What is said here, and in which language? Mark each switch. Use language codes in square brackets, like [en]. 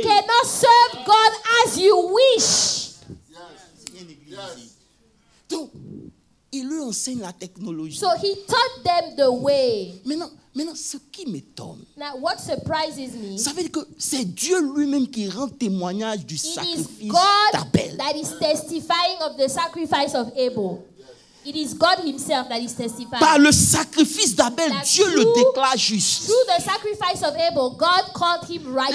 [en] You cannot serve God as you wish. [fr] Donc, il lui enseigne la technologie. [en] So he taught them the way. [fr] Maintenant, ce qui m'étonne, [en] now, what surprises me, [fr] ça veut dire que c'est Dieu lui-même qui rend témoignage du sacrifice d'Abel. [en] It is God that is testifying of the sacrifice of Abel. It is God himself that is testifying. [fr] Par le sacrifice d'Abel, Dieu le déclare juste. [en] Through the sacrifice of Abel, God called him righteous.